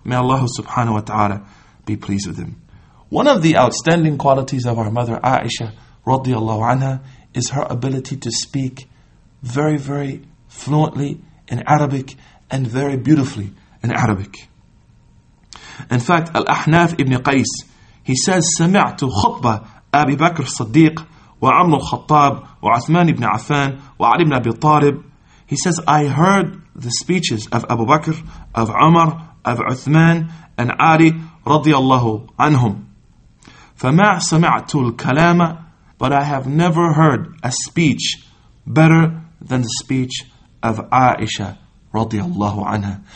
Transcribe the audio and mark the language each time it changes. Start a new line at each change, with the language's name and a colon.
English: May Allah subhanahu wa ta'ala be pleased with them. One of the outstanding qualities of our mother Aisha radiallahu anha is her ability to speak very, very fluently in Arabic and very beautifully in Arabic. In fact, Al-Ahnaf ibn Qais, he says,
Arabic: سَمِعْتُ خُطْبَ أَبِي بَكْرِ الصَّدِّيقِ وَعَمْرُ الْخَطَّابِ وَعَثْمَانِ ابْنِ عَفَانِ وَعَلِي بْنِ أَبِي طَالِبِ.
English: He says, I heard the speeches of Abu Bakr, of Umar, of Uthman, and Ali radiallahu anhum.
Arabic: فَمَعْ سَمِعْتُ الْكَلَامَ,
English: but I have never heard a speech better than the speech of Aisha radiallahu anha.